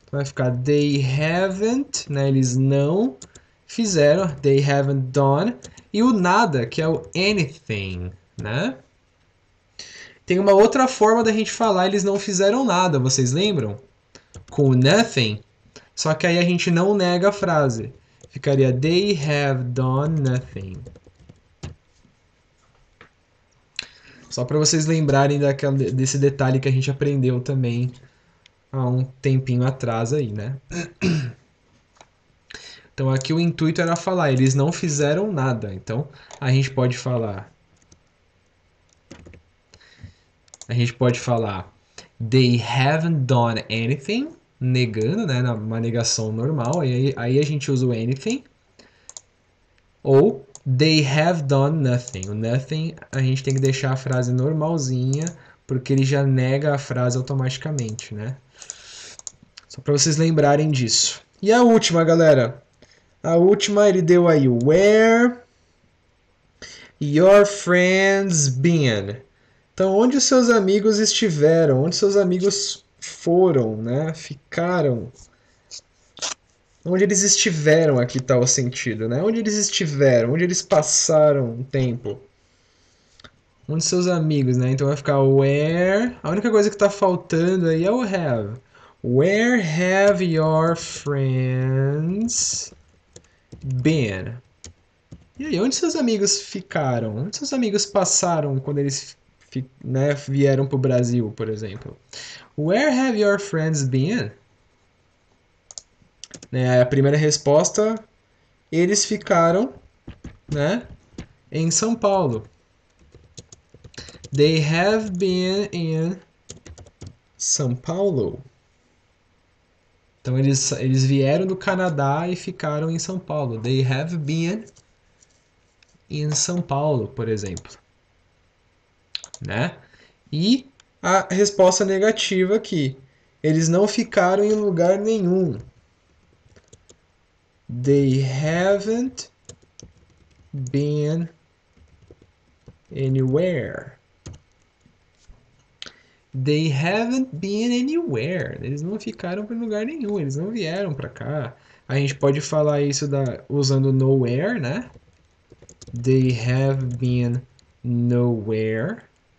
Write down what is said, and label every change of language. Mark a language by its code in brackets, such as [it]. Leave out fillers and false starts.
[pt] Vai ficar: [en] they haven't, [pt] né? Eles não fizeram. [en] They haven't done. [pt] E o nada, que é o anything, né? Tem uma outra forma da gente falar: eles não fizeram nada, vocês lembram? Com nothing. Só que aí a gente não nega a frase. Ficaria: [en] they have done nothing. [pt] Só para vocês lembrarem desse detalhe que a gente aprendeu também há um tempinho atrás aí, né? Então aqui o intuito era falar: eles não fizeram nada. Então a gente pode falar. A gente pode falar: [en] they haven't done anything, [pt] negando, né, uma negação normal, aí a gente usa o anything. Ou [en] they have done nothing. [pt] O nothing a gente tem que deixar a frase normalzinha, porque ele já nega a frase automaticamente, né? Só para vocês lembrarem disso. E a última, galera. A última ele deu aí: [en] where your friends been? [pt] Então, onde os seus amigos estiveram? Onde seus amigos foram, né? Ficaram? Onde eles estiveram? Aqui tá o sentido, né? Onde eles estiveram? Onde eles passaram o tempo? Onde seus amigos, né? Então vai ficar where. A única coisa que tá faltando aí é o have. [en] Where have your friends been? [pt] E aí, onde seus amigos ficaram? Onde seus amigos passaram quando eles, né, vieram pro Brasil, por exemplo? [en] Where have your friends been? [pt] Né, a primeira resposta: eles ficaram, né, em São Paulo. [en] They have been in São Paulo. [pt] Então eles vieram do Canadá e ficaram em São Paulo. [en] They have been in São Paulo, [pt] por exemplo. Né? E a resposta negativa aqui: eles não ficaram em lugar nenhum. [en] They haven't been anywhere. They haven't been anywhere. [pt] Eles não ficaram para lugar nenhum. Eles não vieram para cá. A gente pode falar isso usando nowhere, né? [en] They have been nowhere.